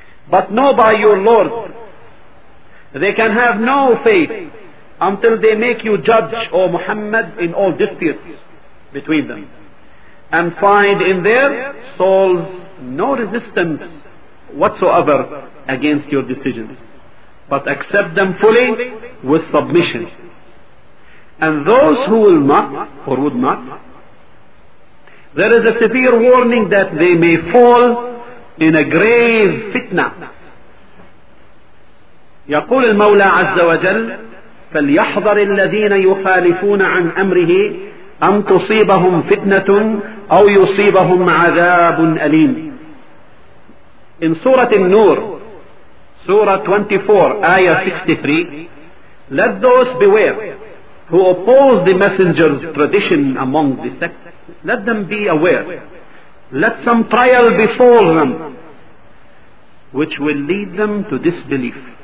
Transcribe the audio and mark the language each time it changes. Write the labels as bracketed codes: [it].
[en] But know by your Lord, they can have no faith until they make you judge, O Muhammad, in all disputes between them, and find in their souls no resistance whatsoever against your decisions, but accept them fully with submission. And those who will not, or would not, there is a severe warning that they may fall in a grave fitna. [ar] يقول المولى عز وجل فليحذر الذين يخالفون عن أمره أن تصيبهم فتنة أو يصيبهم عذاب أليم. [en] In Surah An-Nur, Surah 24, Ayah 63, let those beware who oppose the Messenger's tradition among the sects. Let them be aware. Let some trial befall them, which will lead them to disbelief.